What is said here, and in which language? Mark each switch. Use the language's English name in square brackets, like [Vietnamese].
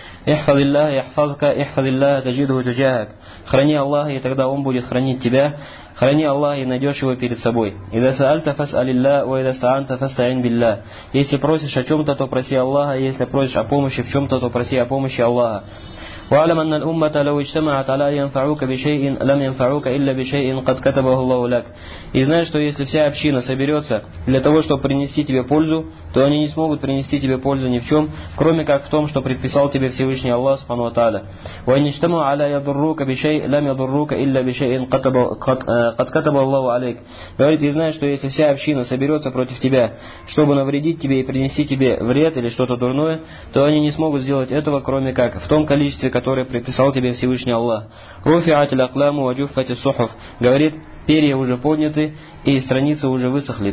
[Arabic] احفظ الله يحفظك احفظ الله تجده تجاهك [Russian] храни Аллаха, и тогда он будет хранить тебя. Храни Аллаха, и найдешь его перед собой. [Arabic] Иза саальта фасалиллах ва иза саанта фастаин биллах. [Russian] Если просишь о чем-то, то проси Аллаха, и если просишь о помощи в чем-то, то проси о помощи Аллаха. [Arabic] واعلم ان الامه لو اجتمعت على ينفعوك بشيء لم ينفعوك الا بشيء قد كتبه الله لك. [Russian] И знаешь, что если вся община соберется для того, чтобы принести тебе пользу, то они не смогут принести тебе пользу ни в чем, кроме как в том, что предписал тебе Всевышний Аллах субхана ва тааля. [Arabic] وان اجتمعوا على يضروك بشيء لم يضروك الا بشيء قد كتبه الله عليك. [Russian] Говорит, и знаешь, что если вся община соберется против тебя, чтобы навредить тебе и принести тебе вред или что-то дурное, то они не смогут сделать этого, кроме как в том количестве, который предписал тебе Всевышний Аллах. [Arabic] Руфиат аль-акламу ва джуффат ас-сухуф. [Russian] Говорит, перья уже подняты и страницы уже высохли.